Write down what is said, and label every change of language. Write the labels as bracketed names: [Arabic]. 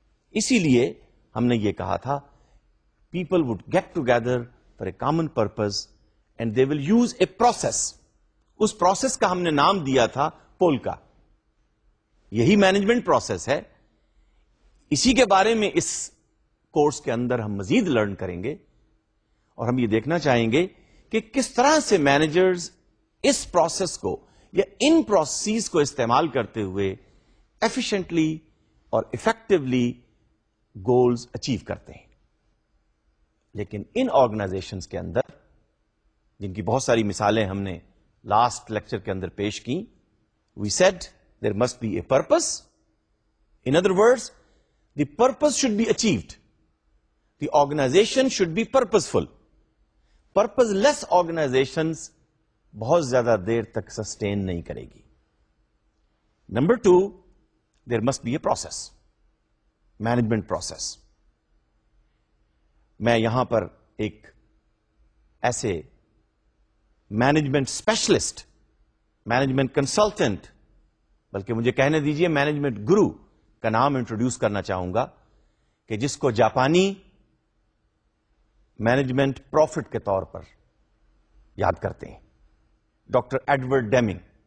[Urdu] اسی لیے ہم نے یہ کہا تھا [English] People would get together for a common purpose and they will use a process. [Urdu] اس process کا ہم نے نام دیا تھا پولکا. یہی مینجمنٹ پروسیس ہے, اسی کے بارے میں اس کورس کے اندر ہم مزید لرن کریں گے اور ہم یہ دیکھنا چاہیں گے کہ کس طرح سے مینیجرز اس پروسیس کو یا ان پروسیس کو استعمال کرتے ہوئے ایفیشنٹلی اور افیکٹولی گولز اچیو کرتے ہیں. لیکن ان آرگنائزیشنز کے اندر جن کی بہت ساری مثالیں ہم نے لاسٹ لیکچر کے اندر پیش کی, [English] We said there must be a purpose. In other words the purpose should be achieved, the organization should be purposeful. [Urdu] Purpose less organisations بہت زیادہ دیر تک سسٹین نہیں کرے گی. [English] Number two, there must be a process, management process. [Urdu] میں یہاں پر ایک ایسے مینجمنٹ اسپیشلسٹ, مینجمنٹ کنسلٹنٹ, بلکہ مجھے کہنے دیجئے مینجمنٹ گرو کا نام انٹروڈیوس کرنا چاہوں گا کہ جس کو جاپانی مینجمنٹ پروفٹ کے طور پر یاد کرتے ہیں, ڈاکٹر ایڈورڈ ڈیمنگ.